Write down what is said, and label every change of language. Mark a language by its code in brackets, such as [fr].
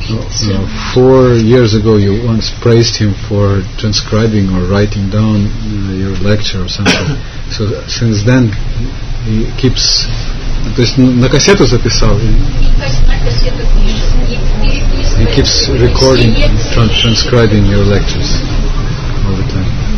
[en] So 4 years ago you once praised him for transcribing or writing down your lecture or something. So since then he keeps... [ru] То есть на кассету записал? [en] He keeps recording, transcribing your lectures all the time.